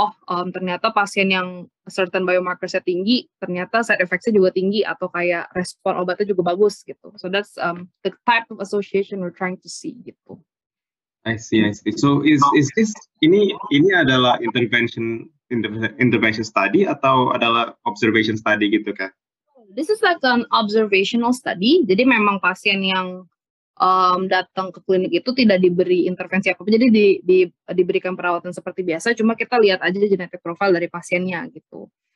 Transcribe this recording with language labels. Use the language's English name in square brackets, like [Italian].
[Indonesian] Ternyata pasien yang certain biomarkersnya tinggi, ternyata side effectsnya juga tinggi atau kayak respon obatnya juga bagus gitu. [English] So that's the type of association we're trying to see gitu. I see. So is this [Indonesian] adalah [English] intervention study [Indonesian] atau adalah [English] observation study [Indonesian] gitu kah? [English] This is like an observational study. [Indonesian] Jadi memang pasien yang datang ke klinik itu tidak diberi intervensi apa-apa, jadi diberikan perawatan seperti biasa, cuma kita lihat aja genetic profile dari pasiennya gitu.